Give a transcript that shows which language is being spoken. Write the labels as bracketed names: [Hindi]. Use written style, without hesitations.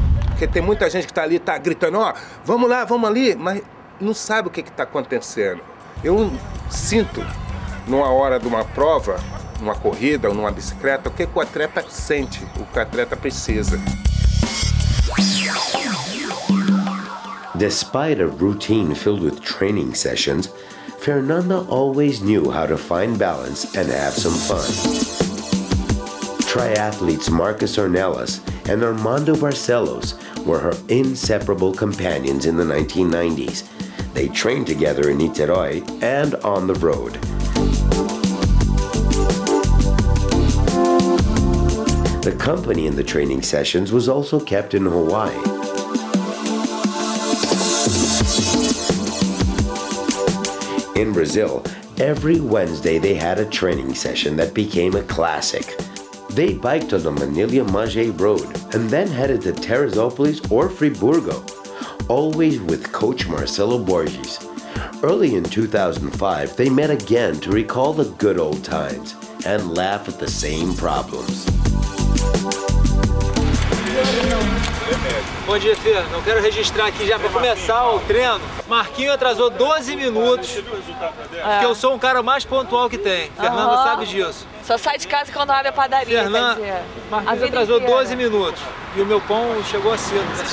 [Portuguese] Porque tem muita gente que tá ali, tá gritando: ó, vamos lá, vamos ali, mas não sabe o que tá acontecendo. Eu sinto, numa hora de uma prova, numa corrida ou numa bicicleta, o que o atleta sente, o que o atleta precisa. [English] Despite a routine filled with training sessions, Fernanda always knew how to find balance and have some fun. Triathletes Marcus Ornelas and Armando Barcelos were her inseparable companions in the 1990s. They trained together in Niterói and on the road. The company in the training sessions was also kept in Hawaii. In Brazil, every Wednesday they had a training session that became a classic. They biked on the Manila Maje Road and then headed to Teresópolis or Friburgo, always with coach Marcelo Borges. Early in 2005, they met again to recall the good old times and laugh at the same problems. [Portuguese] Bom dia, Fê. Não quero registrar aqui já para começar o treino. Marquinho atrasou 12 minutos, porque eu sou um cara mais pontual que tem. Fernanda sabe disso. Só sai de casa quando abre a padaria, quer dizer. Marquinho atrasou 12 minutos e o meu pão chegou cedo.